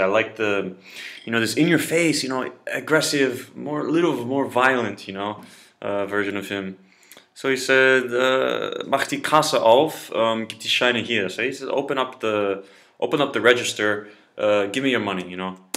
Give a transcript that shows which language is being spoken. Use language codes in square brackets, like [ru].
[en] I like the, you know, this in your face, you know, aggressive, more violent, you know, version of him. So he said, [de] mach die Kasse auf, gib die Scheine hier. [en] So he said, open up the register, give me your money, you know.